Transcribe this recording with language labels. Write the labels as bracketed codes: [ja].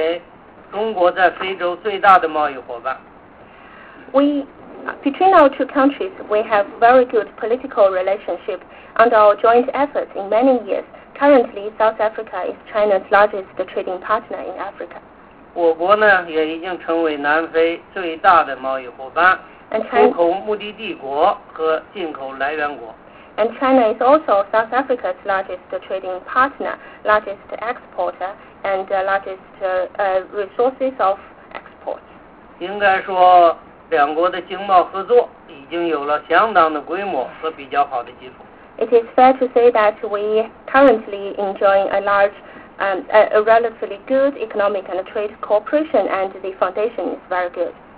[zh] 由于我们中南有良好的政治关系，经过双方多年的努力，现在南非已经成为中国在非洲最大的贸易伙伴。 [en] Between our two countries, we have very good political relationship under our joint efforts in many years. Currently, South Africa is China's largest trading partner in Africa. [zh] 我国呢，也已经成为南非最大的贸易伙伴，出口目的地国和进口来源国。 [en] And China is also South Africa's largest trading partner, largest exporter, and largest resources of exports. [zh] 应该说 两国的经贸合作已经有了相当的规模和比较好的基础。 [en] It is fair to say that we currently enjoy a large, a relatively good economic and trade cooperation, and the foundation is very good.